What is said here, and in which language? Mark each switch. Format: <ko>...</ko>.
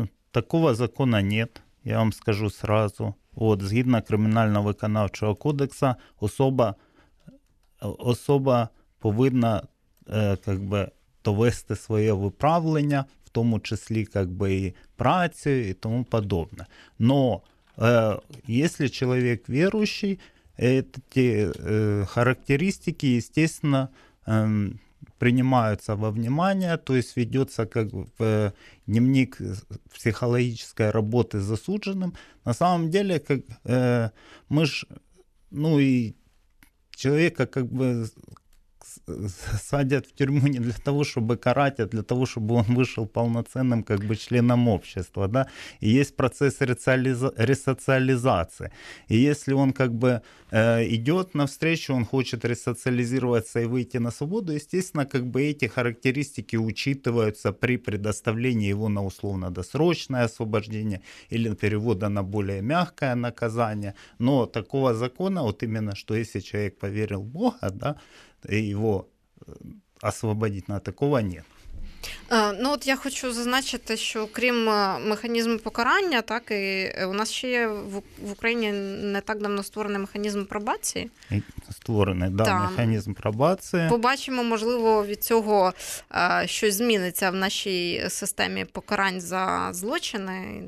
<ru>Такого закону нет, я вам скажу сразу.</ru> <uk>От, згідно Кримінально-виконавчого кодексу, особа повинна</uk> <ru>как бы</ru> <uk>довести своє виправлення, в тому числі как бы і працю і тому подобне.</uk> <ru>Но если человек верующий, эти характеристики, естественно, принимаются во внимание, то есть ведется как в дневник психологической работы с засудженным. На самом деле, как мы ж, человека как бы садят в тюрьму не для того, чтобы карать, а для того, чтобы он вышел полноценным как бы членом общества, да, и есть процесс ресоциализации, и если он как бы идет навстречу, он хочет ресоциализироваться и выйти на свободу, естественно, как бы эти характеристики учитываются при предоставлении его на условно-досрочное освобождение или перевода на более мягкое наказание, но такого закона, вот именно, что если человек поверил в Бога, да, и его освободить на такого нет.</ru> <uk>Ну от я хочу зазначити, що крім механізму покарання, так і у нас ще є в Україні не так давно створений механізм пробації. Створений, да, механізм пробації. Побачимо, можливо, від цього щось зміниться в нашій системі покарань за злочини.</uk>